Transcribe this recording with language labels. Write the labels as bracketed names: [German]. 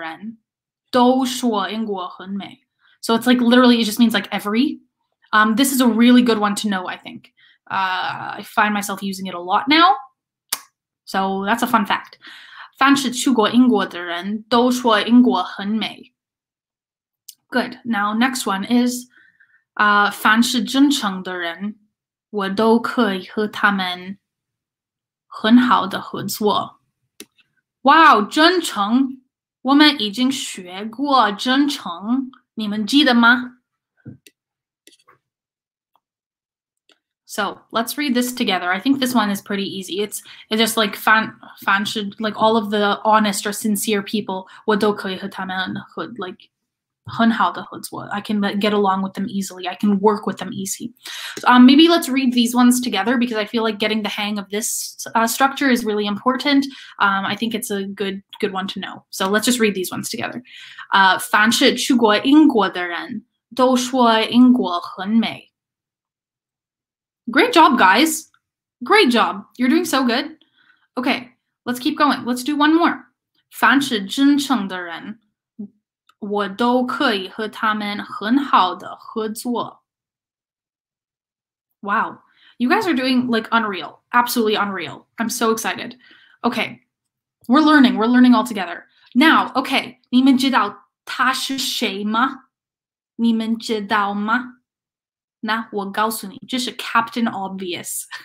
[Chinese] 所有的去过英国的人都说英国很美。 [English] So it's like literally, it just means like every. This is a really good one to know, I think. I find myself using it a lot now. So that's a fun fact. [Chinese] 凡是去过英国的人都说英国很美。 [English] Good. Now, next one is, [Chinese] 凡是真诚的人，我都可以和他们很好的合作。哇哦，真诚，我们已经学过真诚，你们记得吗？ [English] So let's read this together. I think this one is pretty easy. It's just like 凡是 like all of the honest or sincere people, [Chinese] 我都可以和他们和 [English] like. [Chinese] 很好的合作. [English] I can get along with them easily. I can work with them easy. Maybe let's read these ones together because I feel like getting the hang of this structure is really important. I think it's a good one to know. So let's just read these ones together. [Chinese] 凡是去过英国的人都说英国很美. [English] Great job, guys. Great job. You're doing so good. Okay, let's keep going. Let's do one more. [Chinese] 凡是真诚的人 我都可以和他们很好的合作. [English] Wow, you guys are doing like unreal, absolutely unreal. I'm so excited. Okay, we're learning all together. Now, okay, [Chinese] 你们知道他是谁吗？你们知道吗？那我告诉你，这是 Captain Obvious。